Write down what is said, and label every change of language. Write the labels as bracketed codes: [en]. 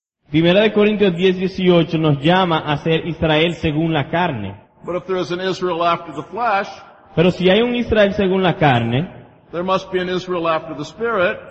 [es] 1 Corintios 10:18 nos llama a ser Israel según la carne. [en] But if there is an Israel after the flesh, [es] pero si hay un Israel según la carne, [en] there must be an Israel after the Spirit,